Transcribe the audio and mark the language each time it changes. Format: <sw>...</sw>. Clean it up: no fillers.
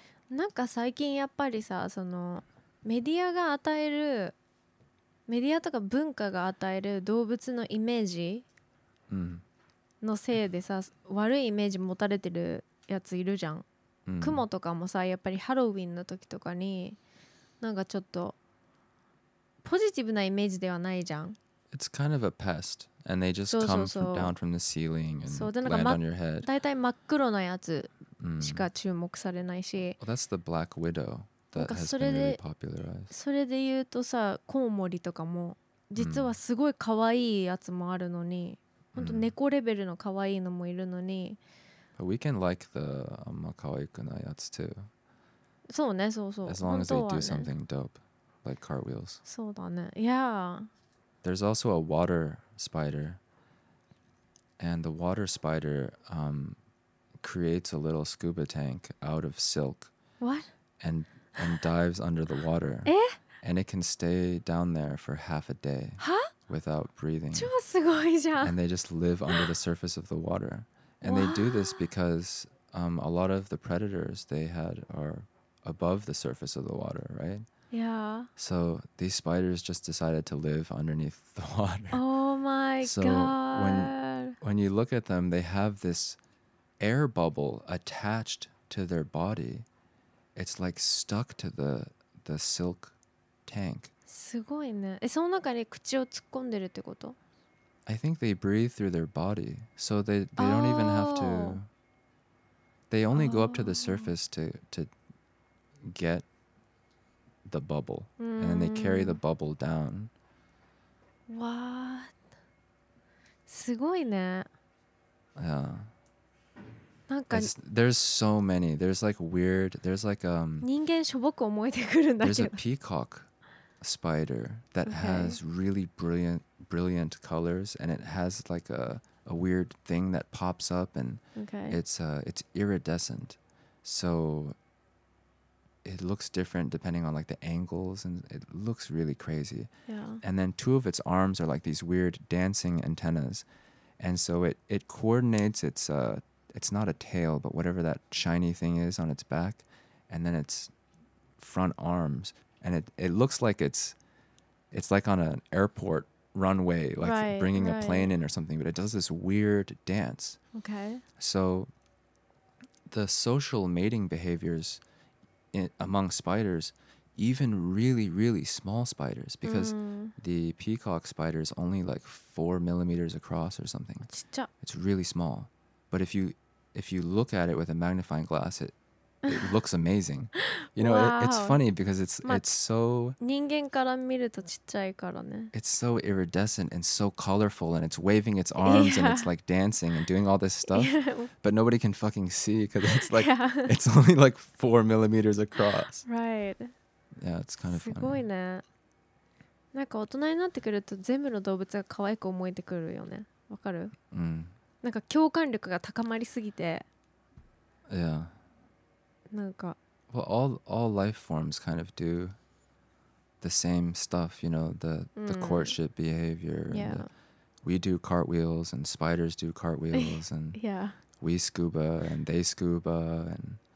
<ja>なんか最近やっぱりさ、そのメディアが与えるメディアとか文化が与える動物のイメージのせいでさ、悪いイメージ持たれてるやついるじゃん。クモとかもさ、やっぱりハロウィンの時とかになんかちょっとポジティブなイメージではないじゃん。</ja> <en>It's kind of a pest and they just come down from the ceiling and land on your head.</en> <ja>だいたい真っ黒なやつしか注目されないし、</ja> <en>well, that's the black widow that has been really popularized.</en> <ja>それで言うとさ、コウモリとかも実はすごい可愛いやつもあるのに、本当猫レベルの可愛いのもいるのに、</ja> <en>But we can like the</en> <ja>あんま可愛くないやつ</ja> <en>too.</en> <ja>そうね、そうそう。</ja> <en>As long as they do something dope, like cartwheels.</en> <ja>そうだね。</ja> <en>Yeah. There's also a water spider. And the water spider creates a little scuba tank out of silk. What? And dives under the water.</en> <ja>え?</ja> <en>And it can stay down there for half a day. Huh? Without breathing.</en> <ja>超すごいじゃん。</ja> <en>And they just live under the surface of the water. And they do this because a lot of the predators they had are above the surface of the water, right? Yeah. So these spiders just decided to live underneath the water. Oh my god. So when you look at them, they have this air bubble attached to their body. It's like stuck to the silk tank.</en> <ja>すごいね。え、その中に口を突っ込んでるってこと？</ja> <en>I think they breathe through their body, so they don't even have to. They only go up to the surface to get the bubble, and then they carry the bubble down. What?</en> <ja>すごいね。</ja> <en>Yeah.</en> <ja>なんか</ja> <en>there's so many. There's like weird. There's like</en> <ja>人間しょぼく思えてくるんだけど。</ja> <en>There's a peacock spider that has really brilliant colors, and it has like a weird thing that pops up, and it's iridescent, so it looks different depending on like the angles, and it looks really crazy. Yeah. And then two of its arms are like these weird dancing antennas, and so it coordinates it's not a tail, but whatever that shiny thing is on its back, and then its front arms, and it looks like it's like on an airport runway, like right, bringing right. a plane in or something, but it does this weird dance. Okay. So the social mating behaviors among spiders, even really, really small spiders, because the peacock spider is only like 4 millimeters across or something. It's really small. But if you look at it with a magnifying glass, it looks amazing. You know, it's funny because it's so...</en> <ja>人間から見るとちっちゃいからね。</ja> <en>It's so iridescent and so colorful, and it's waving its arms and it's like dancing and doing all this stuff. But nobody can fucking see because it's like, it's only like 4 millimeters across. Right. Yeah, it's kind of funny.</en> <ja>すごいね。なんか大人になってくると全部の動物が可愛く思えてくるよね。わかる？なんか共感力が高まりすぎて。</ja> <en>Yeah.</en> <ja>なんか</ja> <en>well, all life forms kind of do the same stuff, you know, the courtship behavior. Yeah. We do cartwheels and spiders do cartwheels and yeah. we scuba and they scuba and</en>